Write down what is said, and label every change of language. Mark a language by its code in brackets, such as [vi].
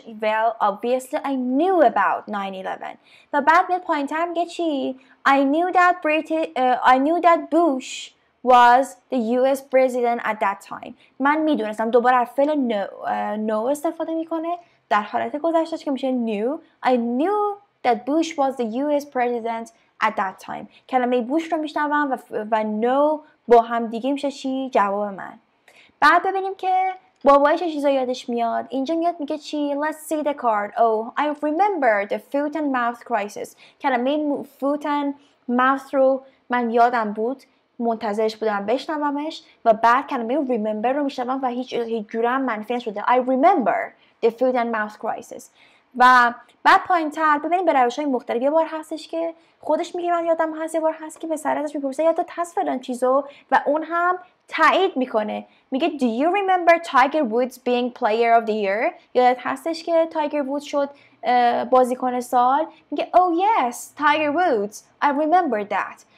[en] Well, obviously I knew about 9/11. [fa] و بعد میاد پایین تر میگه چی؟ [en] I knew that Bush was the US president at that time. [fa] من میدونستم. دوباره فعل نو استفاده میکنه در حالت گذشتهش که میشه نیو. [en] I knew that Bush was the US president at that time. [fa] کلمه بوش رو میشنوم و نو با هم دیگه میشه چی؟ جواب من. بعد ببینیم که بابای چه چیزا یادش میاد. اینجا میاد میگه چی؟ [en] Let's see the card. Oh, I remember the foot and mouth crisis. [fa] کلمه foot and mouth رو من یادم بود. منتظرش بودم بشنومش. و بعد کلمه remember رو میشنوم و هیچ جورم منفی نشده. [en] I remember the foot and mouth crisis. [fa] و بعد پایین تر ببینیم به روش های مختلف. یه بار هستش که خودش میگه من یادم هست، یه بار هست که پسر ازش میپرسه یادت هست فلان چیزو و اون هم تایید میکنه، میگه [en] Do you remember Tiger Woods being player of the year؟ [fa] یادت هستش که تایگر وودز شد بازیکن سال؟ میگه [en] Oh yes, Tiger Woods, I remember that.